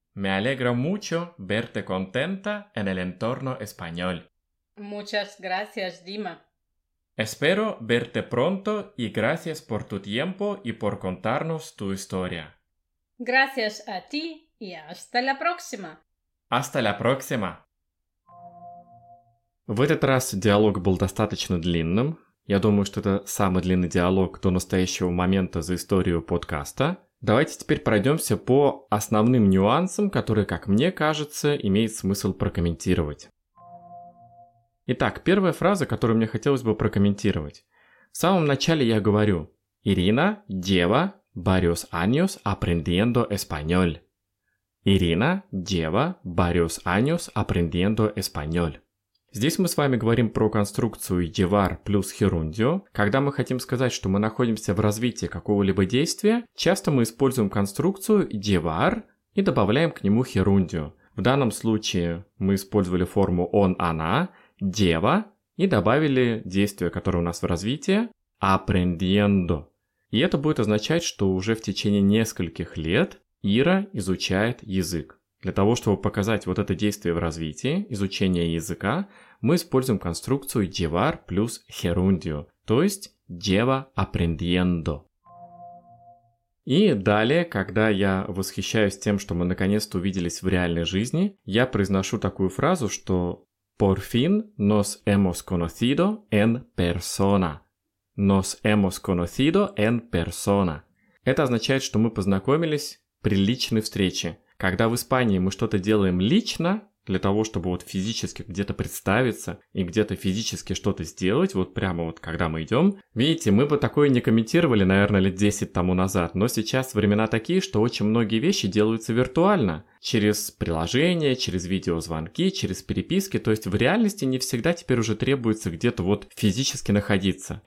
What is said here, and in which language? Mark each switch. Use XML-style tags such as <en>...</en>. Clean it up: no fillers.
<es>Me alegra mucho verte contenta en el entorno español. Muchas gracias, Dima. Espero verte pronto y gracias por tu tiempo y por contarnos tu historia. Gracias a ti y hasta la próxima. Hasta la próxima.</es> <ru>В этот раз диалог был достаточно длинным. Я думаю, что это самый длинный диалог до настоящего момента за историю подкаста. Давайте теперь пройдемся по основным нюансам, которые, как мне кажется, имеет смысл прокомментировать. Итак, первая фраза, которую мне хотелось бы прокомментировать. В самом начале я говорю «Ирина, дева,</ru> <es>varios años aprendiendo español». «Ирина, дева, varios años aprendiendo español».</es> <ru>Здесь мы с вами говорим про конструкцию «llevar» плюс «gerundio». Когда мы хотим сказать, что мы находимся в развитии какого-либо действия, часто мы используем конструкцию «llevar» и добавляем к нему «gerundio». В данном случае мы использовали форму «он», «она», «дева» и добавили действие, которое у нас в развитии, «aprendiendo». И это будет означать, что уже в течение нескольких лет Ира изучает язык. Для того, чтобы показать вот это действие в развитии, изучение языка, мы используем конструкцию «llevar» плюс «gerundio», то есть</ru> <es>«lleva aprendiendo».</es> <ru>И далее, когда я восхищаюсь тем, что мы наконец-то увиделись в реальной жизни, я произношу такую фразу, что</ru> <es>«Por fin nos hemos conocido en persona». «Nos hemos conocido en persona».</es> <ru>Это означает, что мы познакомились при личной встрече. Когда в Испании мы что-то делаем лично, для того, чтобы вот физически где-то представиться и где-то физически что-то сделать, вот прямо вот когда мы идем, видите, мы бы такое не комментировали, наверное, лет 10 тому назад, но сейчас времена такие, что очень многие вещи делаются виртуально, через приложения, через видеозвонки, через переписки, то есть в реальности не всегда теперь уже требуется где-то вот физически находиться.</ru>